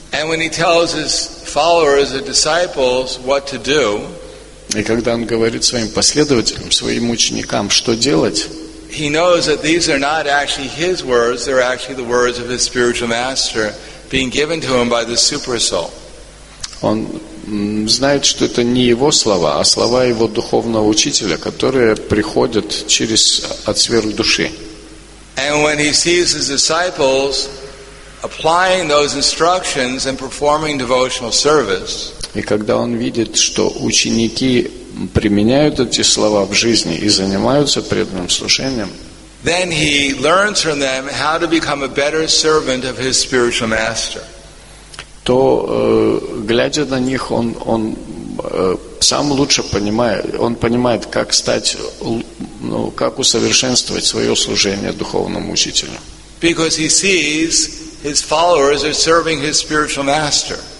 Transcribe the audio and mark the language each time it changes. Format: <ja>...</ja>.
<en>And when he tells his followers, the disciples, what to do,</en> <ru>и когда он говорит своим последователям, своим ученикам, что делать,</ru> <en>he knows that these are not actually his words, they're actually the words of his spiritual master being given to him by the super soul.</en> <ru>Он знает, что это не его слова, а слова его духовного учителя, которые приходят через от сверхдуши.</ru> <en>And when he sees his disciples applying those instructions and performing devotional service,</en> <ru>и когда он видит, что ученики применяют эти слова в жизни и занимаются преданным служением,</ru> <en>then he learns from them how to become a better servant of his spiritual master.</en> <ru>То, глядя на них, он сам лучше понимает, он понимает, как стать, ну, как усовершенствовать свое служение духовному учителю.</ru> <en>Because he sees his followers are serving his spiritual master.</en>